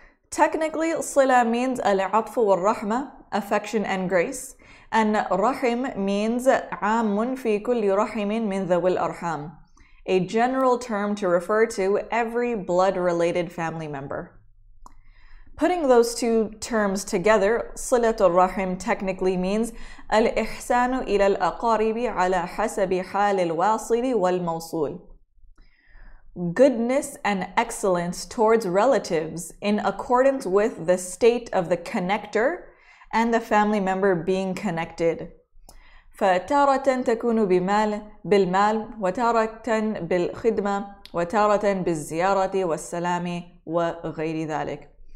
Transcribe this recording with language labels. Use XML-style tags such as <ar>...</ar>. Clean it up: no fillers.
<en>Technically, sila means</en> <ar>al-atfu wal-rahma,</ar> <en>affection and grace, and rahim means</en> <ar>amun fi kulli rahimin min dhawil arham,</ar> <en>a general term to refer to every blood-related family member. Putting those two terms together,</en> <ar>صِلَةُ الرَّحِمِ</ar> <en>technically means</en> <ar>الْإِحْسَانُ إِلَى الْأَقَارِبِ عَلَى حَسَبِ حَالِ الْوَاصِلِ وَالْمَوْصُولِ.</ar> <en>Goodness and excellence towards relatives in accordance with the state of the connector and the family member being connected.</en> <ar>فَتَارَةً تَكُونُ بِالْمَالِ وَتَارَةً بِالْخِدْمَةِ وَتَارَةً بِالزِّيَارَةِ وَالسَّلَامِ وَغَيْرِ ذَلِكَ.</ar>